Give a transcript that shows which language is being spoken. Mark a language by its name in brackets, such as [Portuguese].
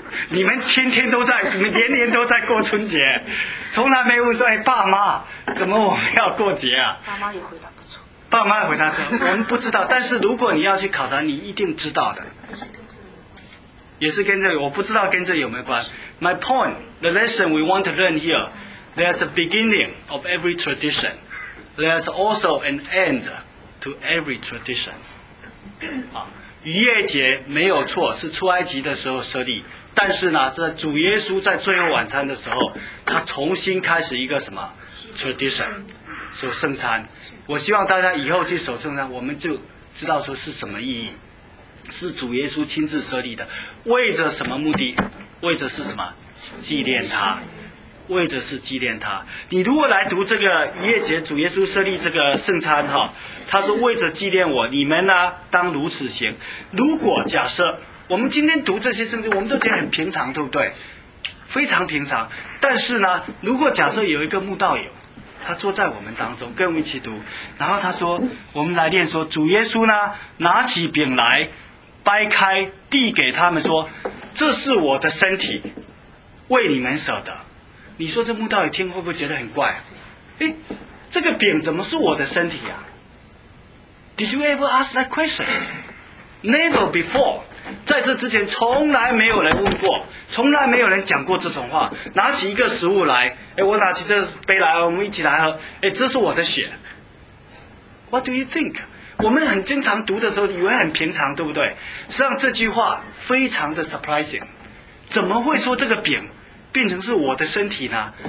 [Chinese] 你们天天都在，你们年年都在过春节，从来没问说，哎，爸妈怎么我们要过节啊？爸妈也回答不错。爸妈回答说我们不知道，但是如果你要去考察你一定知道的。也是跟这个，我不知道跟这有没有关。 [English] My point, the lesson we want to learn here, there's a beginning of every tradition, there's also an end to every tradition. [Chinese] 逾越节没有错，是出埃及的时候设立，但是呢在主耶稣在最后晚餐的时候他重新开始一个什么 tradition， 守圣餐。我希望大家以后去守圣餐我们就知道说是什么意义，是主耶稣亲自设立的，为着什么目的？为着是什么？纪念他，为着是纪念他。你如果来读这个逾越节主耶稣设立这个圣餐哈，他说为着纪念我，你们呢当如此行。如果假设我们今天读这些圣经我们都觉得很平常，对不对？非常平常。但是呢如果假设有一个慕道友他坐在我们当中跟我们一起读，然后他说，我们来念说，主耶稣呢拿起饼来掰开递给他们说，这是我的身体为你们舍得。你说这慕道友听会不会觉得很怪？哎，这个饼怎么是我的身体啊？ [English] Did you ever ask that questions? Never before。 [Chinese] 在这之前从来没有人问过，从来没有人讲过这种话。拿起一个食物来，哎，我拿起这杯来，我们一起来喝，哎，这是我的血。 [English] What do you think? [Chinese] 我们很经常读的时候以为很平常，对不对？实际上这句话非常的 surprising， 怎么会说这个饼变成是我的身体呢？